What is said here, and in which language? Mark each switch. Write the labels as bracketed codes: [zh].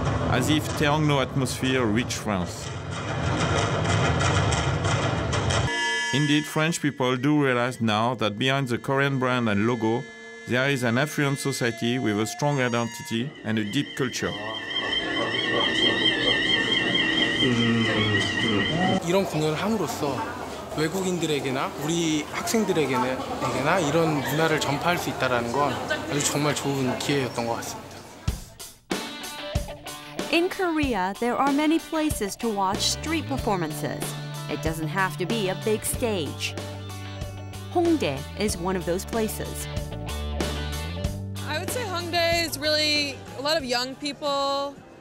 [en] As if Daeonglo atmosphere reached France. Indeed, French people do realize now that behind the Korean brand and logo, there is an affluent society with a strong identity and a deep culture. [ko] 이런 공연을 함으로써 외국인들에게나 우리 학생들에게나 이런 문화를 전파할 수 있다라는 건 아주 정말 좋은 기회였던 것 같습니다. [en] In Korea, there are many places to watch street performances. It doesn't have to be a big stage. Hongdae is one of those places. I would say Hongdae is really a lot of young people.